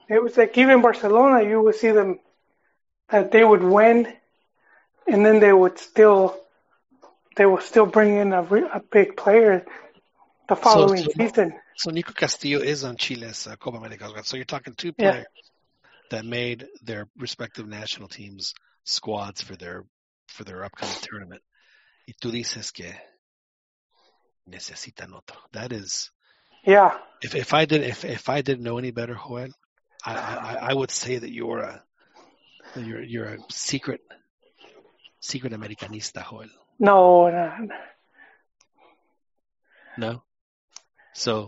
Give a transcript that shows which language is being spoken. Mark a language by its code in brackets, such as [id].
[en] It was like even Barcelona, you would see them that they would win and then they would still bring in a big player the following season. So Nico Castillo is on Chile's Copa América. So you're talking two players that made their respective national teams squads for their upcoming tournament. [es] Y tú dices que necesitan otro. [en] That is, yeah. If I didn't know any better, Joel, I would say that you're a secret Americanista, Joel. No. So